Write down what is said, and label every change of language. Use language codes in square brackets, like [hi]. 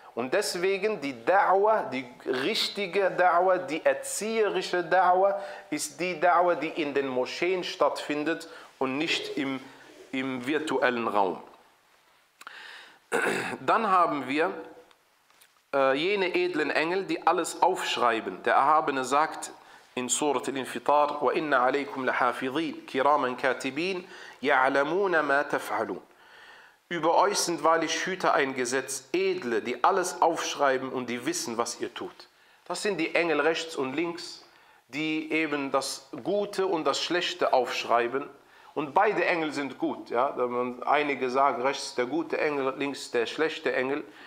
[de] Und deswegen die Da'wah, die richtige Da'wah, die erzieherische Da'wah, ist die Da'wah, die in den Moscheen stattfindet und nicht im virtuellen Raum. Dann haben wir jene edlen Engel, die alles aufschreiben. Der Erhabene sagt in Surat al-Infitar, [ar] وَإِنَّ عَلَيْكُمْ لَحَافِظِينَ كِرَامًا كَاتِبِينَ يَعْلَمُونَ مَا تَفْعَلُونَ. [de] Über euch sind wahrlich Hüter eingesetzt, Edle, die alles aufschreiben und die wissen, was ihr tut. Das sind die Engel rechts und links, die eben das Gute und das Schlechte aufschreiben. Und beide Engel sind gut. Ja? Einige sagen, rechts der gute Engel, links der schlechte Engel.